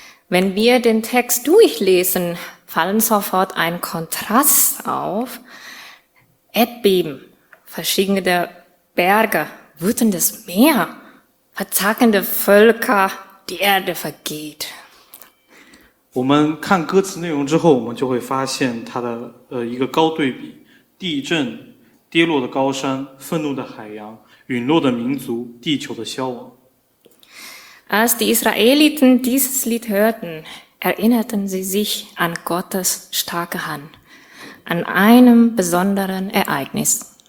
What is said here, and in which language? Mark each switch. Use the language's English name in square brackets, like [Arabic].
[German] Wenn wir den Text durchlesen, fallen sofort ein Kontrast auf. Erdbeben, verschiedene Berge, wütendes Meer. Verzagende Völker, die Erde vergeht. [Chinese] 我们看歌词内容之后，我们就会发现它的一个高对比：地震、跌落的高山、愤怒的海洋、陨落的民族、地球的消亡。 [German] Als die Israeliten dieses Lied hörten, erinnerten sie sich an Gottes starke Hand, an einem besonderen Ereignis.